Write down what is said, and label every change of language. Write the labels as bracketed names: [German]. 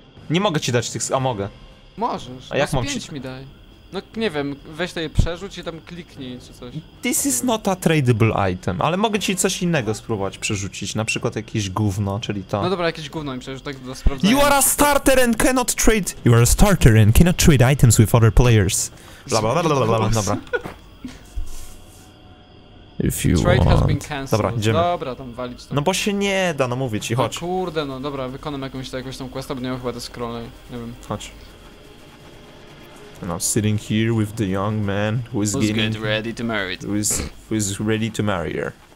[Polish] Nie mogę ci dać tych, a mogę. Możesz, a jak mam 5 mi daj. No nie wiem, weź to je przerzuć i tam kliknij czy coś. [English] This is not a tradable item, [Polish] ale mogę ci coś innego spróbować przerzucić, na przykład jakieś gówno, czyli to. No dobra, jakieś gówno mi przerzuć, tak do sprawdzenia. [English] You are a starter and cannot trade. You are a starter and cannot trade items with other players. [Polish] Blablabla, dobra. [English] If you trade want. Has been cancelled. [Polish] Dobra, idziemy. Dobra, tam walić tam. No bo się nie da, no mówię ci, chodź. No kurde, no dobra, wykonam jakąś tą questa, bo nie mam chyba te scrolle, nie wiem. Chodź. [English] And I'm sitting here with the young man who is getting ready to marry. Who is ready to marry her.